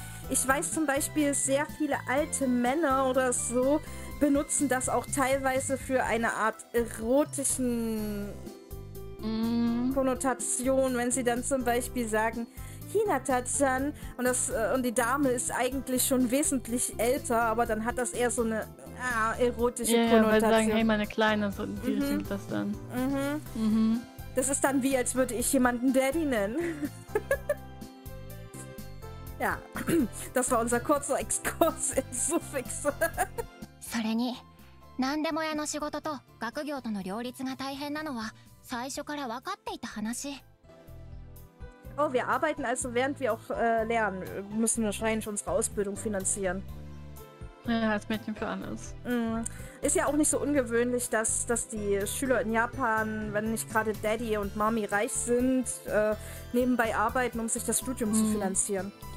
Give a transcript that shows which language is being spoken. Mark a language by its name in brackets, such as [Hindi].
[German] Ich weiß zum Beispiel, sehr viele alte Männer oder so benutzen das auch teilweise für eine Art erotischen Konnotation, wenn sie dann zum Beispiel sagen, Hinata-chan, und die Dame ist eigentlich schon wesentlich älter, aber dann hat das eher so eine erotische Konnotation. Ja, weil sie sagen, hey, meine Kleine, so in die Richtung geht das dann. Mhm. Mhm. Das ist dann wie, als würde ich jemanden Daddy nennen. Ja, das war unser kurzer Exkurs in Suffixe. [Japanese] それに、何でも屋の仕事と学業との両立が大変なのは最初から分かっていた話。Oh, [German] wir arbeiten also, während wir auch lernen, müssen wahrscheinlich unsere Ausbildung finanzieren. Ja, als Mädchen für alles. Ist ja auch nicht so ungewöhnlich, dass die Schüler in Japan, wenn nicht gerade Daddy und Mami reich sind, nebenbei arbeiten, um sich das Studium zu finanzieren.